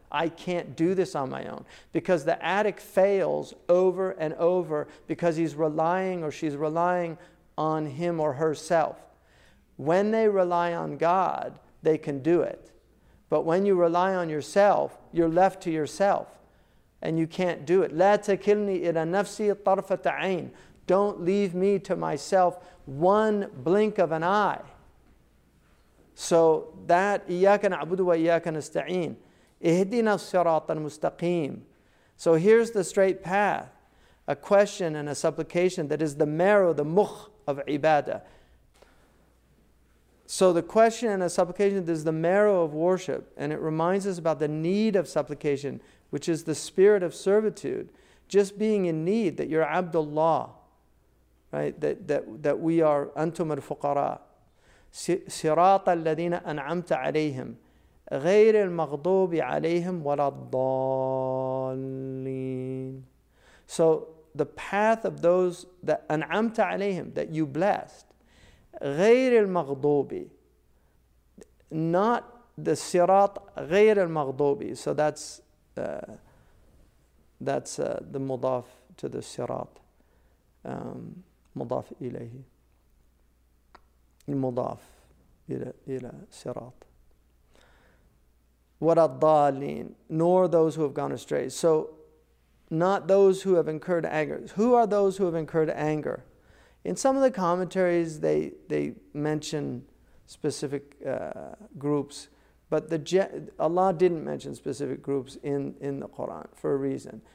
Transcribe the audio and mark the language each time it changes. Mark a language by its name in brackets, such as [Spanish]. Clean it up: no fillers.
[English] I can't do this on my own. Because the addict fails over and over because he's relying or she's relying on him or herself. When they rely on God, they can do it. But when you rely on yourself, you're left to yourself. and you can't do it. [Arabic] لا تكلني إلى نفسي طرفة عين. [English] Don't leave me to myself one blink of an eye. So that [Arabic] إياك نعبد وإياك نستعين. إهدنا الصراط المستقيم. [English] So here's the straight path. A question and a supplication that is the marrow, the mukh of ibadah. So the question and a supplication that is the marrow of worship, and it reminds us about the need of supplication, which is the spirit of servitude, just being in need, that you're Abdullah, right? That we are [Arabic] antum al-fuqara. Sirat al-ladina an'amta alayhim, غير المغضوب عليهم ولا الضالين. [English] So the path of those that [Arabic] أنعمت عليهم, [English] that you blessed, [Arabic] غير المغضوب, [English] not the [Arabic] صراط غير المغضوب. [English] So that's the [Arabic] مضاف [English] to the [Arabic] صراط, مضاف إليه, المضاف إلى صراط. [English] What الضالين, nor those who have gone astray. So not those who have incurred anger. Who are those who have incurred anger? In some of the commentaries, they mention specific groups, but Allah didn't mention specific groups in the Quran for a reason.